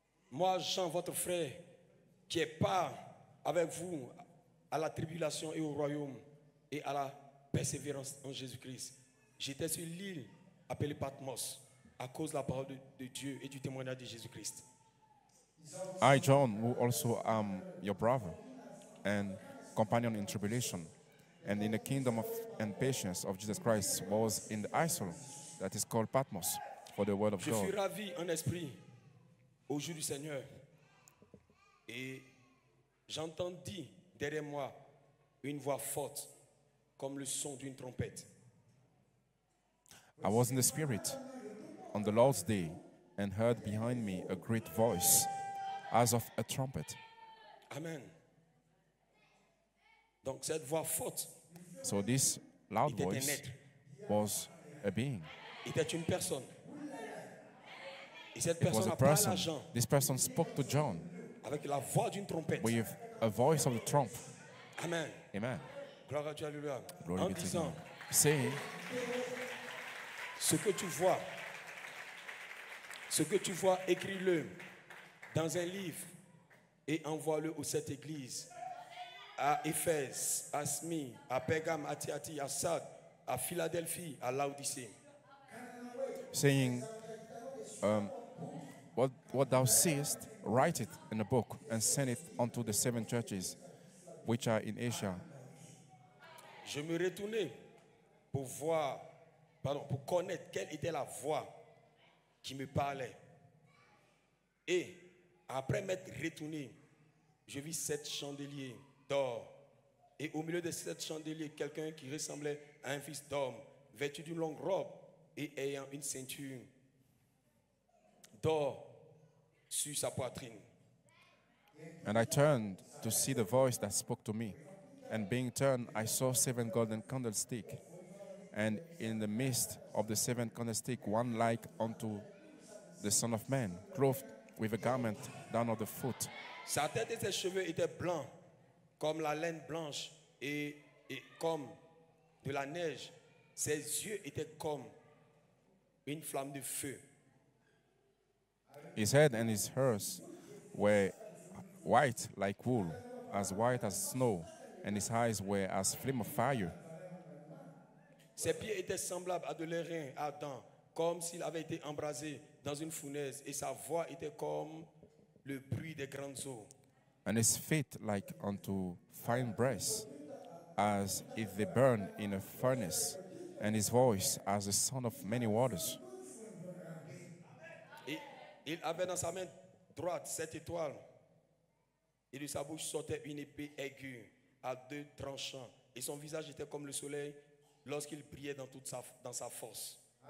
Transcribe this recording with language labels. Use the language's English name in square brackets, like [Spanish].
[French] Moi, Jean, votre frère, qui est pas avec vous à la tribulation et au royaume. Et à la persévérance en Jésus-Christ. J'étais sur l'île appelée Patmos à cause de la parole de Dieu et du témoignage de Jésus-Christ. [English] I, John, who also am your brother and companion in tribulation and in the kingdom of and patience of Jesus Christ, was in the isle that is called Patmos for the word of [French] Je [English] God. [French] Je suis ravi en esprit au jour du Seigneur et j'entendis derrière moi une voix forte comme le son d'une trompette. [English] I was in the spirit on the Lord's day and heard behind me a great voice as of a trumpet. Amen. [French] Donc cette voix forte. [English] So this loud [French] était [English] voice was a being. [French] Était une personne. Et cette [English] it [French] personne [English] was a person. [French] Parlé à Jean. [English] This person spoke to John [French] avec la voix d'une trompette. [English] With a voice of the trump. Amen. Amen. [French] Gloire à Dieu, alléluia. [English] Glory [French] en disant, [English] saying, [French] ce que tu vois, écris-le dans un livre et envoie-le aux sept églises, à Éphèse, à Smyrne, à Pergame, à Thyatira, à Sardes, à Philadelphie, à Laodicée. [English] Saying, what thou seest, write it in a book and send it unto the seven churches which are in Asia. [French] Je me retournai pour voir, pour connaître quelle était la voix qui me parlait. Et après m'être retourné, je vis sept chandeliers d'or. Et au milieu de sept chandeliers, quelqu'un qui ressemblait à un fils d'homme, vêtu d'une longue robe et ayant une ceinture d'or sur sa poitrine. [English] And I turned to see the voice that spoke to me. And being turned, I saw seven golden candlesticks. And in the midst of the seven candlesticks, one like unto the Son of Man, clothed with a garment down of the foot. [French] Sa tête et ses cheveux étaient blancs, comme la laine blanche et comme de la neige. Ses yeux étaient comme une flamme de feu. [English] His head and his hairs were white like wool, as white as snow, and his eyes were as flame of fire. [French] Ses pieds étaient semblables à de l'airain ardent, comme s'il avait été embrasé dans une fournaise, et sa voix était comme le bruit des grandes eaux. [English] And his feet like unto fine brass, as if they burn in a furnace, and his voice as the sound of many waters. [French] Et il avait dans sa main droite sept étoiles, et de sa bouche sortait une épée aiguë à deux tranchants, et son visage était comme le soleil lorsqu'il brillait dans toute sa force.